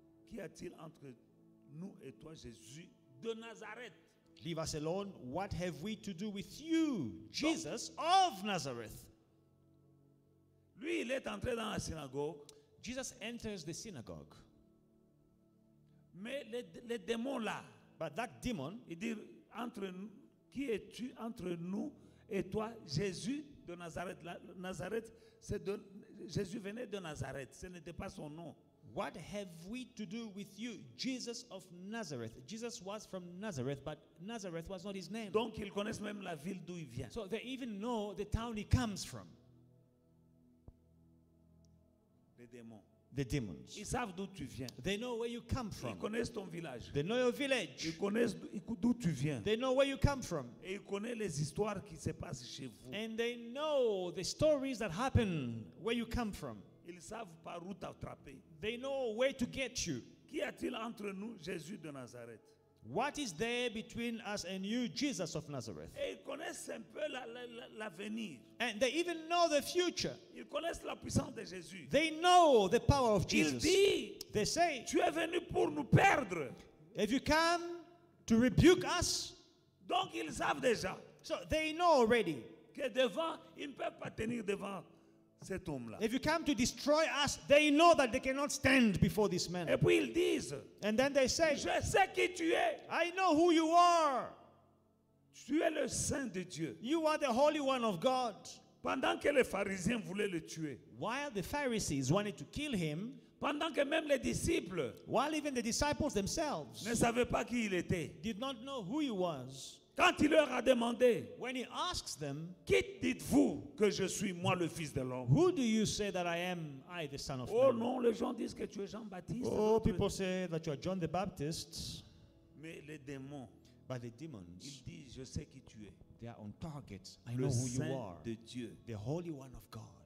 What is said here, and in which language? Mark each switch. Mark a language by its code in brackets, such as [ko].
[fr] Qu'y a-t-il entre nous et toi, Jésus de Nazareth. [en] Leave us alone. What have we to do with you, Jesus of Nazareth? [fr] Lui, il est entré dans la synagogue. [en] Jesus enters the synagogue. [fr] Mais les démons là. [en] But that demon, [fr] il dit entre nous, qui es-tu entre nous et toi, Jésus de Nazareth? Nazareth, c'est de Jésus venait de Nazareth. Ce n'était pas son nom. [en] What have we to do with you, Jesus of Nazareth? Jesus was from Nazareth, but Nazareth was not his name. [fr] Donc, ils connaissent même la ville d'où il vient. [en] So they even know the town he comes from. [fr] Les démons. [en] The demons. [fr] Ils savent d'où tu viens. [en] They know where you come from. [fr] Ils connaissent ton village. [en] They know your village. [fr] Ils connaissent d'où tu viens. [en] They know where you come from. [fr] Et ils connaissent les histoires qui se passent chez vous. [en] And they know the stories that happen where you come from. [fr] Ils savent par où t'attraper. [en] They know where to get you. [fr] Qui a-t-il entre nous, Jésus de Nazareth? [en] What is there between us and you, Jesus of Nazareth? [fr] Et ils connaissent un peu l'avenir. [en] And they even know the future. [fr] Ils connaissent la puissance de Jésus. [en] They know the power of Jesus. [fr] Ils disent, [en] they say, [fr] tu es venu pour nous perdre. [en] Have you come to rebuke us? [fr] Donc ils savent déjà. [en] So they know already. [fr] Que devant, ils ne peuvent pas tenir devant. Cet homme-là. [en] If you come to destroy us, they know that they cannot stand before this man. [fr] Et puis ils disent, [en] and then they say, [fr] je sais qui tu es. [en] I know who you are. [fr] Tu es le Saint de Dieu. [en] You are the Holy One of God. [fr] Pendant que les pharisiens voulaient le tuer, [en] while the Pharisees wanted to kill him, [fr] pendant que même les disciples, [en] while even the disciples themselves, [fr] ne savaient pas qui il était, [en] did not know who he was. [fr] Quand il leur a demandé, [en] when he asks them, [fr] qui dites-vous que je suis moi le fils de l'homme? [en] Who do you say that I am, I the son of [fr] man? Oh non, les gens disent que tu es Jean-Baptiste. Oh, notre... [en] people say that you are John the Baptist. [fr] Mais les démons, [en] but the demons, [fr] ils disent, je sais qui tu es. [en] They are on target. I [fr] le [en] know who [fr] Saint [en] you are. [fr] De Dieu. [en] The Holy One of God.